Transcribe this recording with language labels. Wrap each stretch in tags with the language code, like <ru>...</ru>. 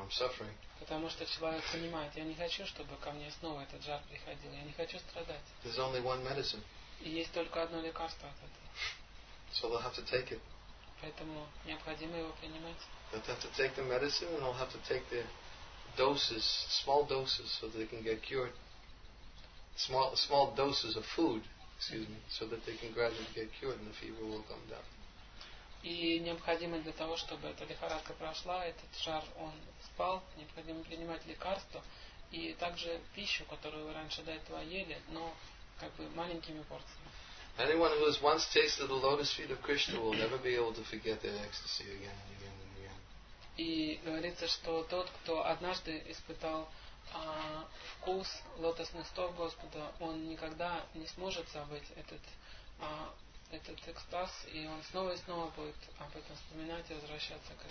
<en>I'm suffering.</en> <ru>Потому что человек понимает, я не хочу, чтобы ко мне снова этот жар приходил. Я не хочу страдать.</ru> <en>There's only one medicine.</en> <ru>И есть только одно лекарство от этого.</ru> <en>So they'll have to take it.</en> <ru>Поэтому необходимо его принимать.</ru> <en>They'll have to take the medicine and they'll have to take the doses, small doses, so they can get cured. Small doses of food, excuse me, so that they can gradually get cured and the fever will come down.</en> <ru>И необходимо для того, чтобы эта лихорадка прошла, этот жар он спал, необходимо принимать лекарство и также пищу, которую вы раньше до этого ели, но как бы маленькими порциями.</ru> <en>Anyone who has once tasted the lotus feet of Krishna will never be able to forget their ecstasy again and again and again.</en> <ru>И говорится, что тот, кто однажды испытал вкус лотосных стоп Господа, он никогда не сможет забыть этот экстаз, и он снова и снова будет об этом вспоминать и возвращаться к этому.</ru>